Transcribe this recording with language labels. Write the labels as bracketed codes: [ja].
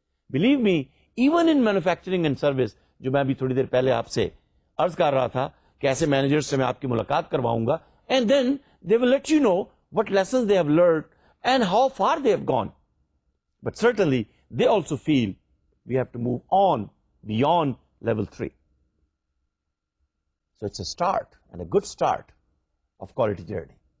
[en] Believe me, even in manufacturing and service, [ur] جو میں بھی تھوڑی دیر پہلے آپ سے عرض کر رہا تھا کہ ایسے مینیجر سے میں آپ کی ملاقات کرواؤں گا, [en] And then they will let you know what lessons they have learned and how far they have gone. But certainly they also feel we have to move on beyond level 3. So it's a start and a good start of quality journey.